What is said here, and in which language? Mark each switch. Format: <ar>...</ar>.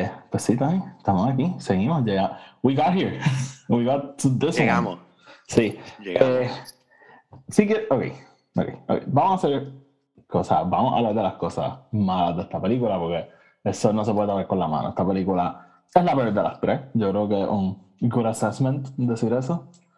<es>Pues sí, también estamos aquí, seguimos, llegamos.</es> <en>We got here, we got to this</en> <es>llegamos.</es> <en>One.</en> <es>Llegamos. Sí. Sí que, okay. Vamos a hacer cosas, vamos a hablar de las cosas malas de esta película, porque eso no se puede tapar con la mano. Esta película es la peor de las tres. Yo creo que es un</es> <en>good assessment</en> <es>decir eso.</es>